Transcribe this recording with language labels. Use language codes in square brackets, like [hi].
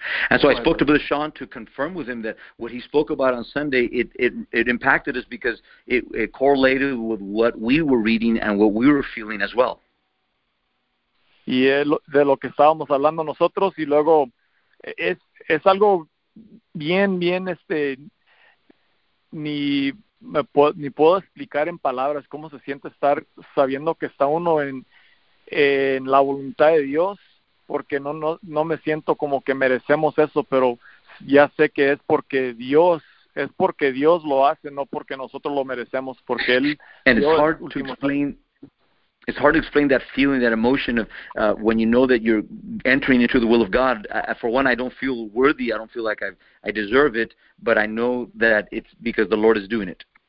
[en] And so I spoke to Brother Sean to confirm with him that what he spoke about on Sunday, it impacted us because it correlated with what we were reading and what we were feeling as well. [es] Y de lo que estábamos hablando nosotros, y luego es algo bien, bien, ni puedo explicar en palabras cómo se siente estar sabiendo que está uno en la voluntad de Dios. Porque no me siento como que merecemos eso, pero ya sé que es porque Dios lo hace, no porque nosotros lo merecemos, porque él. [en] And it's hard to explain that feeling, that emotion of when you know that you're entering into the will of God. For one, I don't feel worthy, I don't feel like I deserve it, but I know that it's because the Lord is doing it.